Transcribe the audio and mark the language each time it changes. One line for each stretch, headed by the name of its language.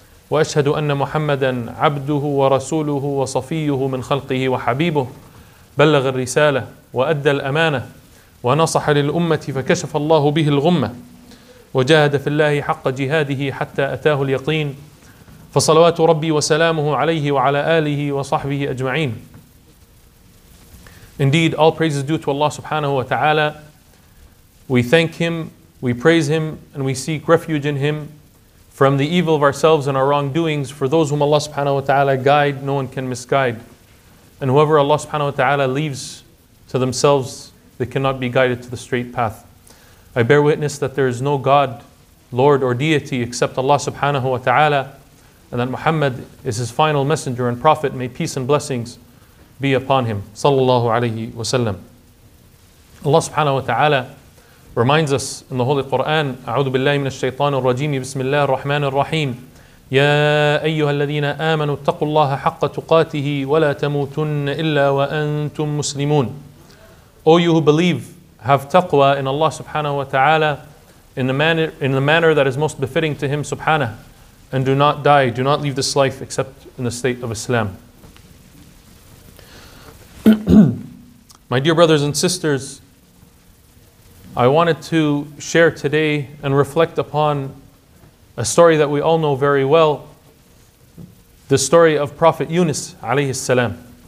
Arabic: وأشهد أن محمدًا عبده ورسوله وصفيه من خلقه وحبيبه، بلغ الرسالة وأدى الأمانة ونصح للأمة فكشف الله به الغمة وجاهد في الله حق جهاده حتى أتاه اليقين، فصلوات ربي وسلامه عليه وعلى آله وصحبه أجمعين.
English: Indeed, all praises due to Allah subhanahu wa ta'ala. We thank Him, we praise Him, and we seek refuge in Him from the evil of ourselves and our wrongdoings. For those whom Allah subhanahu wa ta'ala guide, no one can misguide. And whoever Allah subhanahu wa ta'ala leaves to themselves, they cannot be guided to the straight path. I bear witness that there is no God, Lord, or deity except Allah subhanahu wa ta'ala, and that Muhammad is His final messenger and prophet. May peace and blessings be upon him.
Arabic: Sallallahu alayhi wa sallam.
English: Allah subhanahu wa ta'ala reminds us in the Holy Quran,
Arabic: أعوذ بالله من الشيطان الرجيم بسم الله الرحمن الرحيم يا أيها الذين آمنوا اتقوا الله حق تقاته ولا تموتن إلا وأنتم مسلمون.
English: O you who believe, have taqwa in Allah subhanahu wa ta'ala in the manner that is most befitting to Him subhanahu, and do not die, do not leave this life except in the state of Islam. My dear brothers and sisters, I wanted to share today and reflect upon a story that we all know very well, the story of Prophet Yunus alayhi salam.